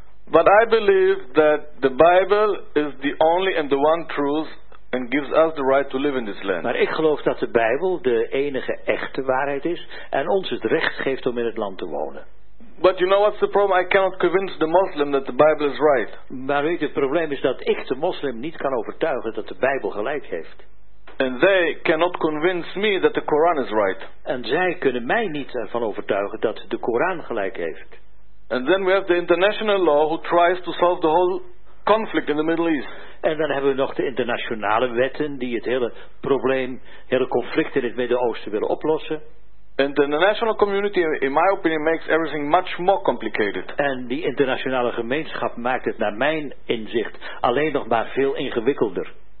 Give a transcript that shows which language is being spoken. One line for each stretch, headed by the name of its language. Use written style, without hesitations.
English: But I believe that the Bible is the only and the one truth and gives us the right to live in this land.
Dutch: Maar ik geloof dat de Bijbel de enige echte waarheid is en ons het recht geeft om in het land te wonen.
English: But you know what's the problem? I cannot convince the Muslim that the Bible is right.
Dutch: Maar weet je, het probleem is dat ik de moslim niet kan overtuigen dat de Bijbel gelijk heeft.
English: And they cannot convince me that the Quran is right.
Dutch: En zij kunnen mij niet ervan overtuigen dat de Koran gelijk heeft.
English: And then we have the international law who tries to solve the whole conflict in the Middle East.
Dutch: En dan hebben we nog de internationale wetten die het hele probleem, hele conflict in het Midden-Oosten willen oplossen.
English: And the international community, in my opinion, makes everything much more complicated.
Dutch: En die internationale gemeenschap maakt het naar mijn inzicht alleen nog maar veel ingewikkelder.